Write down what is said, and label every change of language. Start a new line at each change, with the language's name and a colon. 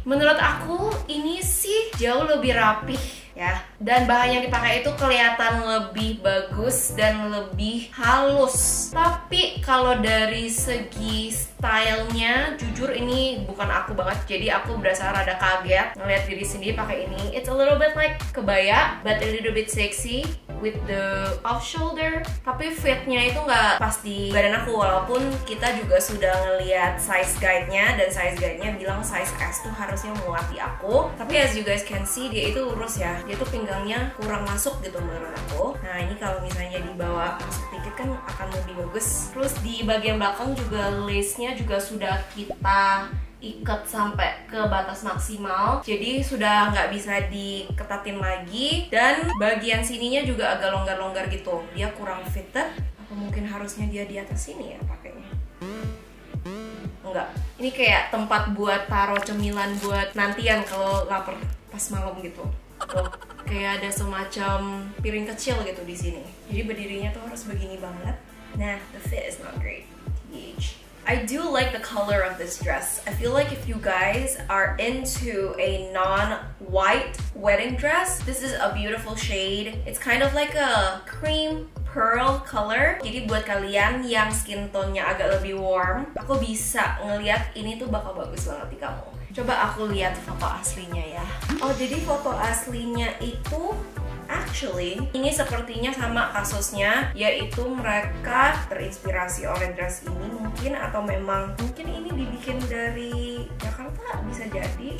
Indonesian: Menurut aku, ini sih jauh lebih rapih ya, dan bahan yang dipakai itu kelihatan lebih bagus dan lebih halus. Tapi kalau dari segi stylenya, jujur ini bukan aku banget. Jadi aku berasa rada kaget ngeliat diri sendiri pakai ini.
English: It's a little bit like kebaya, but a little bit sexy with the off shoulder.
Indonesian: Tapi fitnya itu nggak pas di badan aku. Walaupun kita juga sudah ngeliat size guide-nya, dan size guide-nya bilang size S tuh harusnya muat di aku. Tapi
English: as you guys can see,
Indonesian: dia itu lurus ya. Dia tuh pinggangnya kurang masuk gitu menurut aku. Nah, ini kalau misalnya dibawa masuk dikit kan akan lebih bagus. Terus di bagian belakang juga lace-nya juga sudah kita ikat sampai ke batas maksimal. Jadi sudah nggak bisa diketatin lagi. Dan bagian sininya juga agak longgar-longgar gitu. Dia kurang fitted. Apa mungkin harusnya dia di atas sini ya pakainya? Enggak. Ini kayak tempat buat taruh cemilan buat nantian kalau lapar pas malam gitu. Tuh, kayak ada semacam piring kecil gitu di sini. Jadi berdirinya tuh harus begini banget. Nah,
English: the fit is not great. Huge. I do like the color of this dress. I feel like if you guys are into a non-white wedding dress, this is a beautiful shade. It's kind of like a cream pearl color.
Indonesian: Jadi buat kalian yang skin tone-nya agak lebih warm, aku bisa ngeliat ini tuh bakal bagus banget di kamu. Coba aku lihat foto aslinya ya. Oh, jadi foto aslinya itu actually ini sepertinya sama kasusnya, yaitu mereka terinspirasi oleh dress ini mungkin, atau memang mungkin ini dibikin dari Jakarta, bisa jadi.